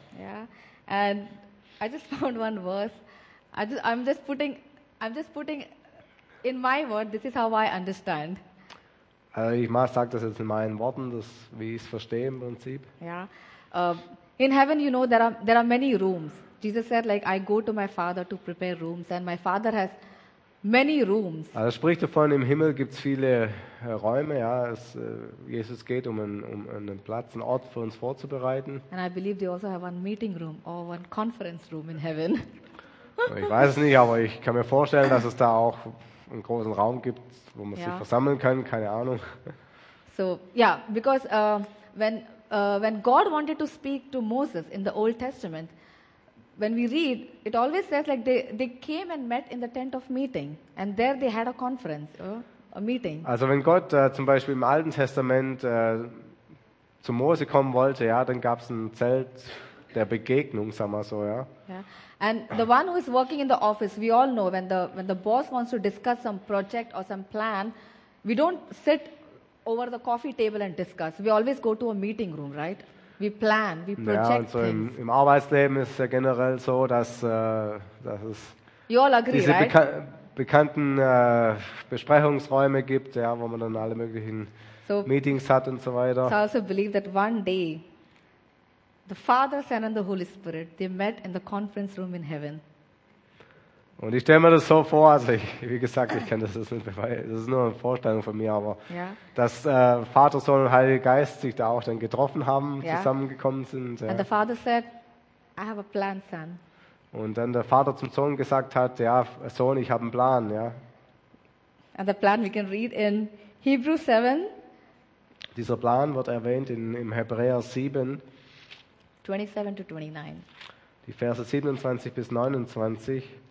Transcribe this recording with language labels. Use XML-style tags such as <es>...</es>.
<en>Yeah. And I just found one verse. I'm just putting. In my word, this is how I understand.</en> <de>Also ich mache, sage das jetzt in meinen Worten, das wie ich es verstehe im Prinzip.</de> <en>Yeah. In heaven, you know, there are many rooms. Jesus said, like, I go to my father to prepare rooms, and my father has many rooms.</en> <de>Also spricht davon, im Himmel gibt's viele Räume, ja. Jesus geht, um einen Platz, einen Ort für uns vorzubereiten.</de> <en>And I believe they also have one meeting room or one conference room in heaven.</en> <de>Ich weiß es nicht, aber ich kann mir vorstellen, dass es da auch einen großen Raum gibt, wo man sich versammeln kann, keine Ahnung.</de> <en>So, yeah, because when God wanted to speak to Moses in the Old Testament, when we read, it always says like they came and met in the tent of meeting, and there they had a conference, a meeting.</en> <de>Also wenn Gott zum Beispiel im Alten Testament zu Mose kommen wollte, ja, dann gab es ein Zelt der Begegnung, sagen wir so, ja.</de> <en>Yeah. And the one who is working in the office, we all know when the boss wants to discuss some project or some plan, we don't sit over the coffee table and discuss. We always go to a meeting room, right? We plan, we project things.</en> <de>Ja, im Arbeitsleben ist ja generell so, dass es</de> <en>you all agree,</en> <de>diese</de> <en>right?</en> <de>bekannten Besprechungsräume gibt, ja, wo man dann alle möglichen Meetings hat und so weiter.</de> <en>So I also believe that one day, the Father, Son and the Holy Spirit, they met in the conference room in heaven.</en> <de>Und ich stelle mir das so vor, also wie gesagt, ich kenne das nicht, das ist nur eine Vorstellung von mir, aber dass Vater, Sohn und Heiliger Geist sich da auch dann getroffen haben, zusammengekommen sind. Ja.</de> <en>And the Father said, I have a plan, Son.</en> <de>Und dann der Vater zum Sohn gesagt hat, ja, Sohn, ich habe einen Plan, ja.</de> <en>And the plan we can read in Hebrews 7.</en> <de>Dieser Plan wird erwähnt im Hebräer 7.</de> <en>27 to 29.</en> <de>Die Verse 27 bis 29.</de>